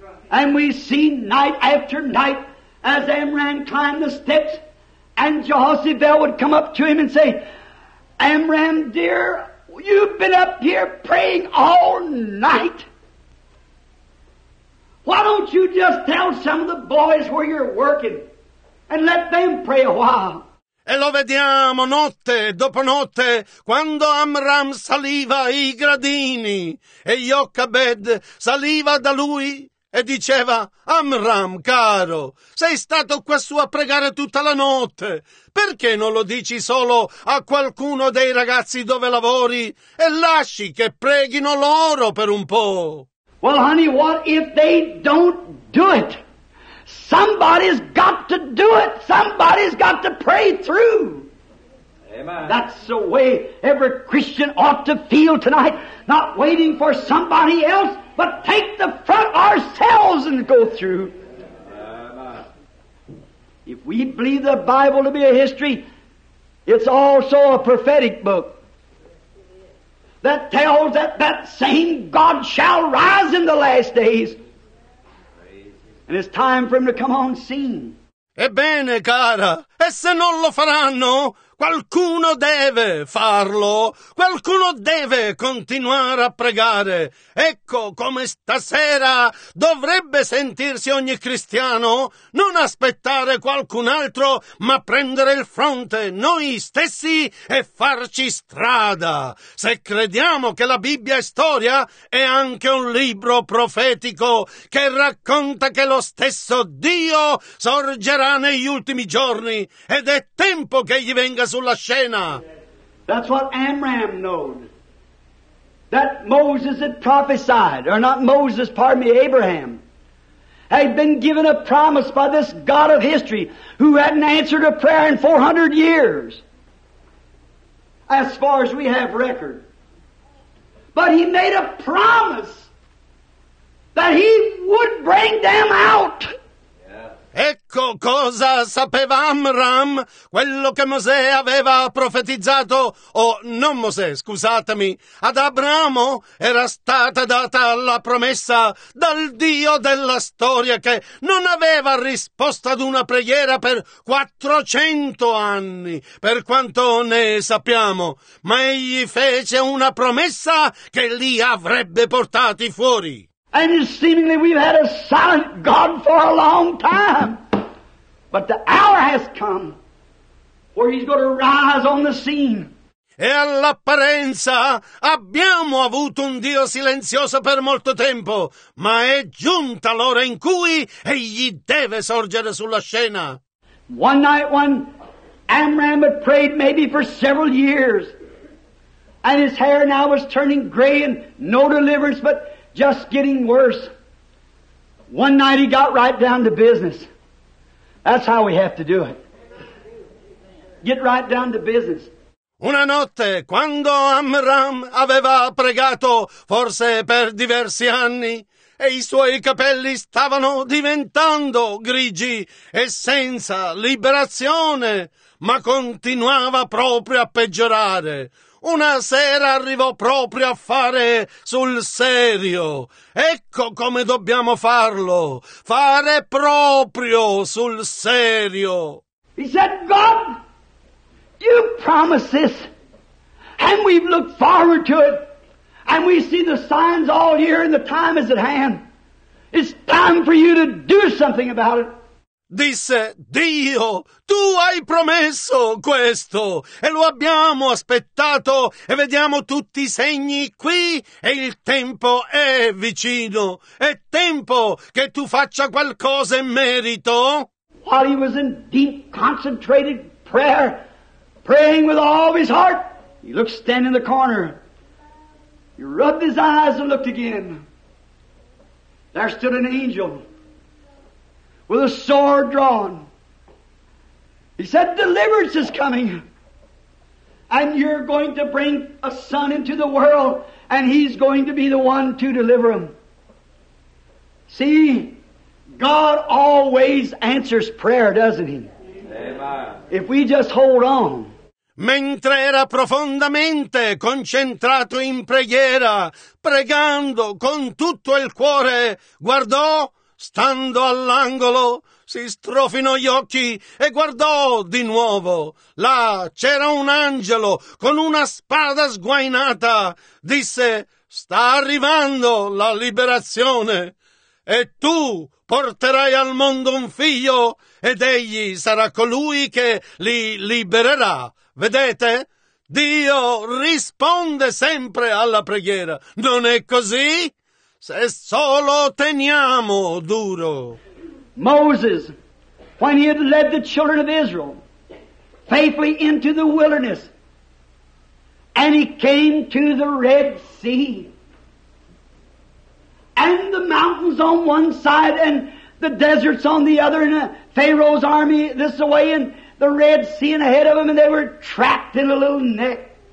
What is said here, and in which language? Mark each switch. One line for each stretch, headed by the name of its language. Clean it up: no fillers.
English: And we see night after night as Amram climbed the steps and Jehoshaphat would come up to him and say, Amram, dear, you've been up here praying all night. Why don't you just tell some of the boys where you're working and let them pray a while?
Italian: E lo vediamo notte dopo notte quando Amram saliva i gradini e Jochebed saliva da lui e diceva, Amram, caro, sei stato quassù a pregare tutta la notte. Perché non lo dici solo a qualcuno dei ragazzi dove lavori e lasci che preghino loro per un po'?
English: Well, honey, what if they don't do it? Somebody's got to do it. Somebody's got to pray through. Amen. That's the way every Christian ought to feel tonight, not waiting for somebody else, but take the front ourselves and go through. If we believe the Bible to be a history, it's also a prophetic book that tells that that same God shall rise in the last days. And it's time for him to come on scene.
Italian: Ebbene, cara, e se non lo faranno? Qualcuno deve farlo, qualcuno deve continuare a pregare. Ecco come stasera dovrebbe sentirsi ogni cristiano, non aspettare qualcun altro, ma prendere il fronte noi stessi e farci strada. Se crediamo che la Bibbia è storia, è anche un libro profetico che racconta che lo stesso Dio sorgerà negli ultimi giorni ed è tempo che gli venga sul la scena.
English: That's what Amram knowed. That Moses had prophesied, or not Moses, pardon me, Abraham, had been given a promise by this God of history who hadn't answered a prayer in 400 years, as far as we have record. But he made a promise that he would bring them out.
Italian: Ecco cosa sapeva Amram, quello che Mosè aveva profetizzato, non Mosè, scusatemi, ad Abramo era stata data la promessa dal Dio della storia che non aveva risposto ad una preghiera per 400 anni, per quanto ne sappiamo, ma egli fece una promessa che li avrebbe portati fuori.
English: And seemingly we've had a silent God for a long time. But the hour has come where he's going to rise on the scene.
Italian: E all'apparenza abbiamo avuto un Dio silenzioso per molto tempo, ma è giunta l'ora in cui egli deve sorgere sulla scena.
English: One night when Amram had prayed maybe for several years, and his hair now was turning gray and no deliverance, but just getting worse. One night he got right down to business. That's how we have to do it. Get right down to business.
Italian: Una notte, quando Amram aveva pregato, forse per diversi anni, e i suoi capelli stavano diventando grigi e senza liberazione, ma continuava proprio a peggiorare. Una sera arrivò proprio a fare sul serio. Ecco come dobbiamo farlo. Fare proprio sul serio.
English: He said, God, you promise this. And we've looked forward to it. And we see the signs all here and the time is at hand. It's time for you to do something about it.
Italian: disse, Dio, tu hai promesso questo e lo abbiamo aspettato e vediamo tutti i segni qui e il tempo è vicino. È tempo che tu faccia qualcosa in merito.
English: While he was in deep concentrated prayer, praying with all of his heart, he looked standing in the corner. He rubbed his eyes and looked again. There stood an angel with a sword drawn. He said, deliverance is coming. And you're going to bring a son into the world, and he's going to be the one to deliver him. See, God always answers prayer, doesn't he? Amen. If we just hold on.
Italian: Mentre era profondamente concentrato in preghiera, pregando con tutto il cuore, guardò, stando all'angolo, si strofinò gli occhi e guardò di nuovo. Là c'era un angelo con una spada sguainata. Disse, sta arrivando la liberazione e tu porterai al mondo un figlio ed egli sarà colui che li libererà. Vedete? Dio risponde sempre alla preghiera. Non è così? Se solo teniamo duro.
English: Moses, when he had led the children of Israel faithfully into the wilderness, and he came to the Red Sea, and the mountains on one side, and the deserts on the other, and Pharaoh's army this way, and the Red Sea ahead of them, and they were trapped in a little net.